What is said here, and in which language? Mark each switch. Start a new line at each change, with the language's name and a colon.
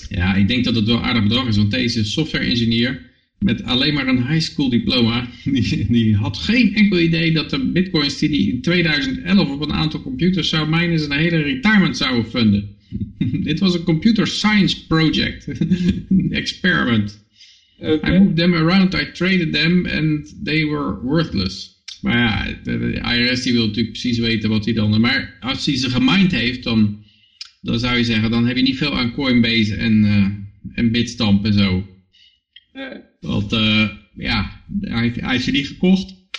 Dutch: Ja, ik denk dat het wel aardig bedrag is. Want deze software-engineer met alleen maar een high school diploma, die had geen enkel idee dat de bitcoins die hij in 2011 op een aantal computers zou mijnen, zijn hele retirement zou funden. Dit was een computer science project. Experiment. Okay.
English: I moved them around, I traded them and they were worthless.
Dutch: Maar ja, de IRS die wil natuurlijk precies weten wat hij dan... Maar als hij ze gemined heeft, dan zou je zeggen, dan heb je niet veel aan Coinbase en Bitstamp en zo. Nee. Want hij heeft ze niet gekocht.